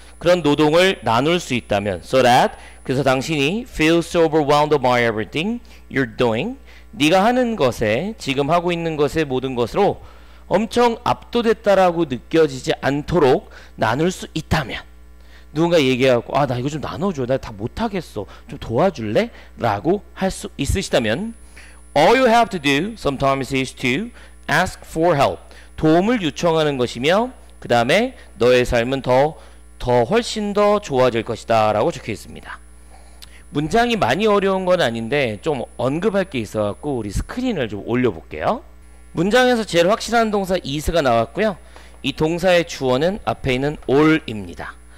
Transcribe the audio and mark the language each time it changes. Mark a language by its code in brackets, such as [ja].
[ko] 그런 노동을 나눌 수 있다면 [en] so that, [ko] 그래서 당신이 [en] feel so overwhelmed by everything you're doing, [ko] 네가 하는 것에, 지금 하고 있는 것에 모든 것으로 엄청 압도됐다라고 느껴지지 않도록 나눌 수 있다면, 누군가 얘기하고 아 나 이거 좀 나눠줘, 나 다 못하겠어, 좀 도와줄래? 라고 할 수 있으시다면 [en] All you have to do sometimes is to ask for help. [ko] 도움을 요청하는 것이며 그 다음에 너의 삶은 더 훨씬 더 좋아질 것이다 라고 적혀 있습니다. 문장이 많이 어려운 건 아닌데 좀 언급할 게 있어갖고 우리 스크린을 좀 올려볼게요. 문장에서 제일 확실한 동사 is가 나왔고요. 이 동사의 주어는 앞에 있는 all입니다.